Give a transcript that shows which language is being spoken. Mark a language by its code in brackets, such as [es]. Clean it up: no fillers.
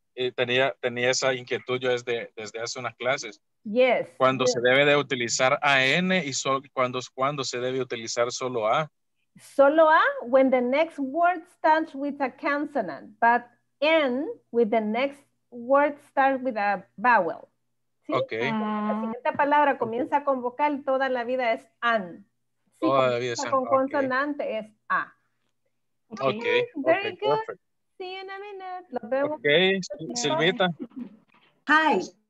[es] Tenía esa inquietud yo desde hace unas clases. [en] Yes. [es] Cuando [en] yes. [es] Se debe de utilizar an y cuando se debe utilizar solo a. Solo a, [en] when the next word starts with a consonant, but an with the next words start with a vowel. ¿Sí? Okay. [es] La siguiente palabra comienza con vocal, toda la vida es an. Sí, toda la vida es an. Con consonante es a. [en] Okay. Very good. See you in a minute. [es] Lo vemos. [en] Okay, Silvita. Hi.